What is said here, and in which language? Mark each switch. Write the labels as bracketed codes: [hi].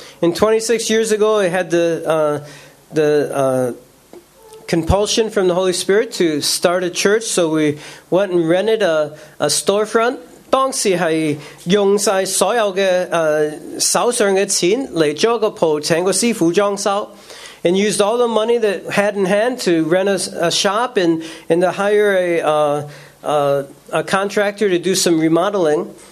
[en] And 26 years ago I had the compulsion from the Holy Spirit to start a church, so we went and rented a storefront. [yue] 當時係用曬所有嘅手上嘅錢嚟租個鋪，請個師傅裝修， [en] and used all the money that had in hand to rent a shop and to hire a contractor to do some remodeling.